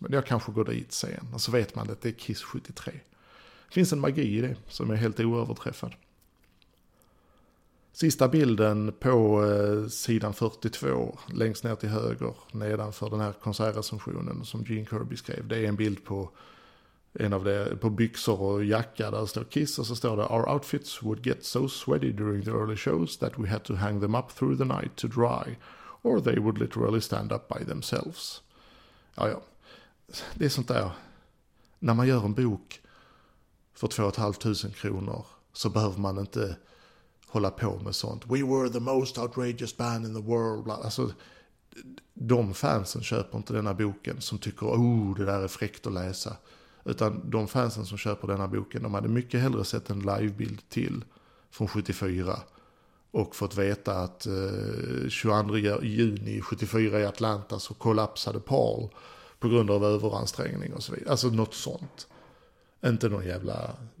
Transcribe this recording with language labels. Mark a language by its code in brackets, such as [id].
[sv] Men jag kanske går dit sen. Och så vet man att det är Kiss 73. Det finns en magi i det som är helt oöverträffad. Sista bilden på sidan 42. Längst ner till höger. Nedanför den här konsertrecensionen som Gene Kirby skrev. Det är en bild på en av det, på byxor och jacka. Där står Kiss och så står det: [en] "Our outfits would get so sweaty during the early shows that we had to hang them up through the night to dry. Or they would literally stand up by themselves." [sv] Ja. Det är sånt där. När man gör en bok för 2,500 kronor så behöver man inte hålla på med sånt. [en] "We were the most outrageous band in the world." [sv] Alltså, de fansen köper inte denna boken som tycker, oh, det där är fräckt att läsa. Utan de fansen som köper denna boken, de hade mycket hellre sett en livebild till från 74. Och fått veta att 22 juni 74 i Atlanta så kollapsade Paul på grund av överansträngning och så vidare. Alltså något sånt. Inte någon jävla...